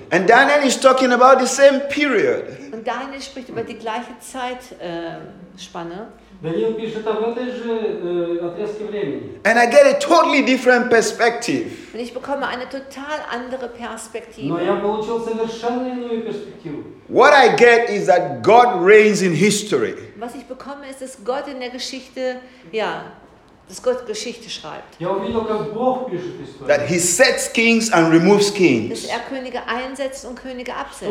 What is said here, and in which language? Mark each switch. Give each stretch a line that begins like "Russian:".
English: And Daniel is talking about the same period.
German: Und Daniel spricht über die gleiche Zeitspanne.
Russian: Даниил пишет об этой же отрезке времени.
English: And I get a totally different perspective.
German: Und ich bekomme eine total andere Perspektive.
Russian: Но я получил совершенно иную перспективу.
English: What I get is that God reigns in history.
German: Was ich bekomme ist, dass Gott in der Geschichte, ja, dass Gott Geschichte schreibt.
Russian: Я увидел, как Бог пишет историю.
English: That he sets kings and removes kings.
German: Dass er Könige einsetzt und Könige absetzt.